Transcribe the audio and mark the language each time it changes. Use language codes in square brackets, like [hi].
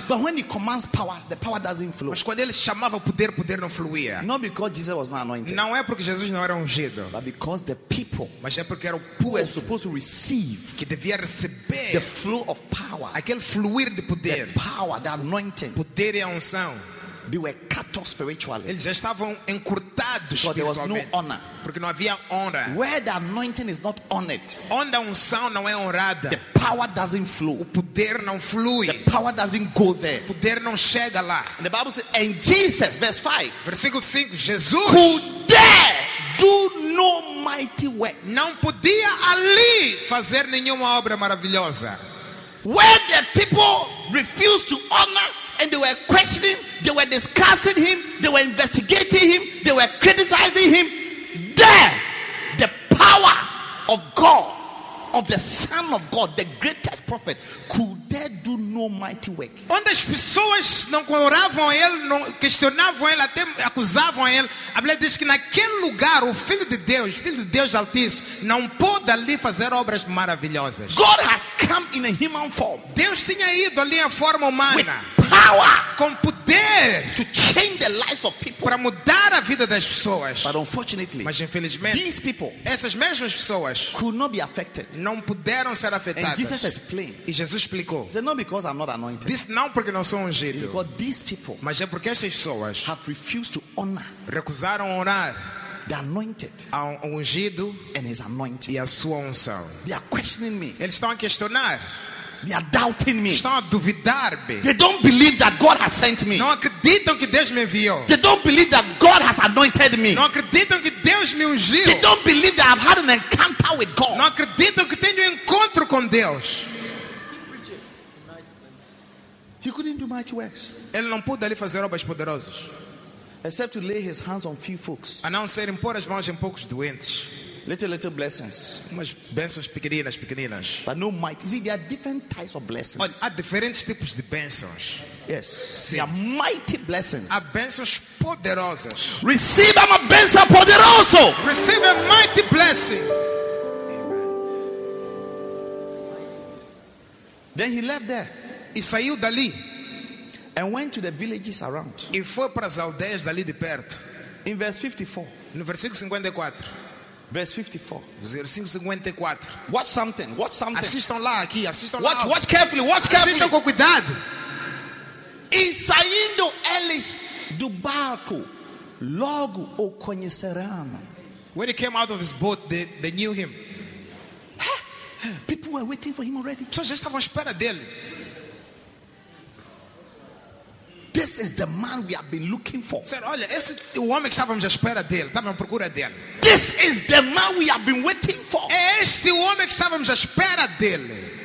[en] But when he commands power, the power doesn't flow. [pt] Mas quando ele chamava poder, poder não fluía. [en] Not because Jesus was not anointed. [pt] Não é porque Jesus não era ungido. [en] But because the people. [pt] Mas é porque era o povo. [en] Who was supposed to receive. [pt] Que devia receber. [en] The flow of power. [pt] Aquele fluir de poder. [en] The power, the anointing. [pt] Poder e a unção. [en] They were cut off spiritually. [pt] Eles já estavam encurtados espiritualmente. [en] There was no honor. [pt] Porque não havia honra. [en] Where the anointing is not honored. [pt] Onde a unção não é honrada. [en] The power doesn't flow. [pt] O poder não flui. [en] The power doesn't go there. [pt] O poder não chega lá. [en] And the Bible says, and Jesus, verse 5. [pt] Versículo 5, Jesus. [en] Could there do no mighty work. [pt] Não podia ali fazer nenhuma obra maravilhosa. [en] Where the people refused to honor. And they were questioning, they were discussing him, they were investigating him, they were criticizing him. There, the power of God, of the Son of God, the greatest prophet, could there do no mighty work. [pt] Onde as pessoas não oravam a ele, não questionavam ele, até acusavam ele, a Bíblia diz que naquele lugar o filho de Deus Altíssimo, não pôde ali fazer obras maravilhosas. [en] God has come in a human form. [pt] Deus tinha ido ali em forma humana. [en] Power [pt] com poder [en] to change the lives of people, [pt] para mudar a vida das pessoas. [en] But unfortunately, [pt] mas infelizmente, [en] these people, [pt] essas mesmas pessoas, [en] could not be affected, [pt] não puderam ser afetadas. [en] And Jesus explained, [pt] e Jesus explicou, [en] said, not because I'm not anointed, [pt] disse, não porque não sou ungido, [en] it's because these people, [pt] mas é porque essas pessoas, [en] have refused to honor, [pt] recusaram honrar, [en] the anointed, [pt] ao ungido, [en] and his anointing, [pt] e a sua unção. [en] They are questioning me. [pt] Eles estão a questionar. [en] They are doubting me. [pt] Estão a duvidar-me. [en] They don't believe that God has sent me. [pt] Não acreditam que Deus me enviou. [en] They don't believe that God has anointed me. [pt] Não acreditam que Deus me ungiu. [en] They don't believe that I've had an encounter with God. [pt] Não acreditam que tenho um encontro com Deus. [en] He couldn't do mighty works. [pt] Ele não pôde ali fazer obras poderosas. [en] Except to lay his hands on few folks. [pt] A não ser impor as mãos em poucos doentes. [en] Little blessings. [pt] Umas bênçãos pequeninas, pequeninas. [en] But no might. You see, there are different types of blessings. [pt] Olha, há diferentes tipos de bênçãos. [en] Yes. [pt] Sim. [en] There are mighty blessings. [pt] Há bênçãos poderosas. [en] Receive a [pt] bênção poderoso. [en] Receive a mighty blessing. Then he left there. [pt] E saiu dali. [en] And went to the villages around. [pt] E foi para as aldeias dali de perto. [en] In verse 54. [pt] No versículo 54. [en] Verse 54. Watch something. Watch something. [pt] Assistam lá aqui. Assistam [en] watch, [pt] lá. [en] Watch carefully. Watch carefully. [pt] Assistam com cuidado. E saindo eles do barco, logo o conheceram. [en] When he came out of his boat, they knew him. People were waiting for him already. [pt] Só já estavam à espera dele. [en] This is the man we have been looking for. [pt] Sir, olha, esse o homem que estávamos à espera dele, estávamos à procura dele. [en] This is the man we have been waiting for. [pt] É este o homem que estávamos à espera dele.